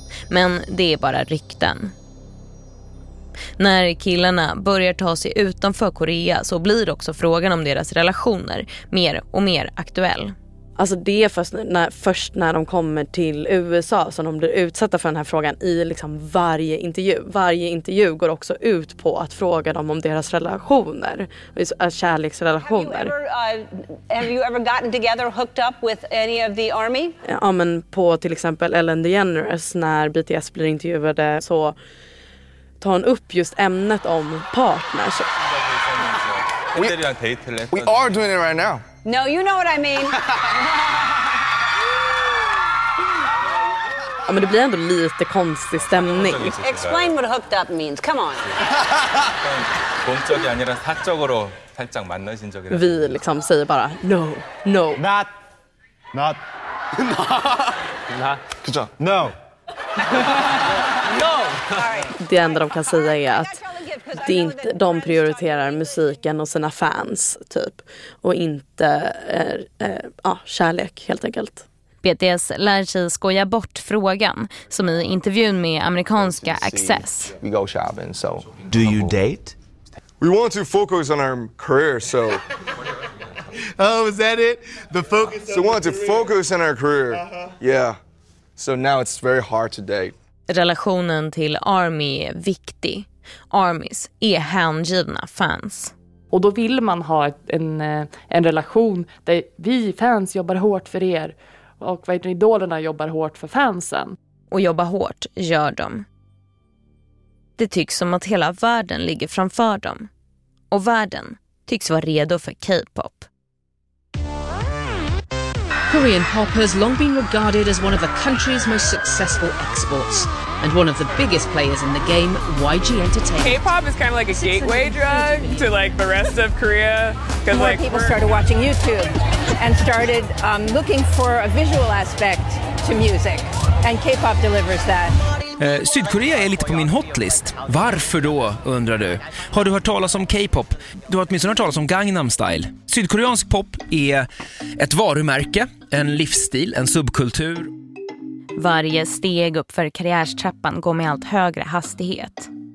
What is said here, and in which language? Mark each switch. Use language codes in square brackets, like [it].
[sv] Men det är bara rykten. När killarna börjar ta sig utanför Korea så blir också frågan om deras relationer mer och mer aktuell. Alltså det är först när de kommer till USA som de blir utsatta för den här frågan i liksom varje intervju. Varje intervju går också ut på att fråga dem om deras relationer, kärleksrelationer. [en] Have you ever gotten together, hooked up with any of the army? [sv] Ja, men på till exempel Ellen DeGeneres, när BTS blir intervjuade, så tar hon upp just ämnet om partners. [en] We are doing it right now. No, you know what I mean. [sv] Ja, men det blir ändå lite konstig stämning. [en] Explain what hooked up means. Come on. [ko] 본적이 아니라 사적으로 살짝 만나신 적이라. [sv] Vi liksom säger bara [en] no. No. Not. Not. Not. [ko] 그죠? [en] No. No. [sv] Det enda de kan säga är att det är inte, de prioriterar musiken och sina fans typ, och inte kärlek helt enkelt. BTS lär sig skoja bort frågan, som i intervjun med amerikanska Access. [en] We go shopping, so do you date? We want to focus on our career, so oh, is that it? The focus. So we want to focus on our career. Yeah. So now it's very hard to date. [sv] Relationen till ARMY är viktig. ARMYs är hängivna fans. Och då vill man ha en relation där vi fans jobbar hårt för er. Och vad heter ni, idolerna jobbar hårt för fansen. Och jobba hårt gör de. Det tycks som att hela världen ligger framför dem. Och världen tycks vara redo för K-pop. [en] Korean pop has long been regarded as one of the country's most successful exports and one of the biggest players in the game, YG Entertainment. K-pop is kind of like a gateway drug to like the rest of Korea. More like, people started watching YouTube and started looking for a visual aspect to music. And K-pop delivers that. [sv] Sydkorea är lite på min hotlist. Varför då, undrar du? Har du hört talas om K-pop? Du har åtminstone hört talas om Gangnam Style. Sydkoreansk pop är ett varumärke, en livsstil, en subkultur. Varje steg upp för karriärstrappan går med allt högre hastighet.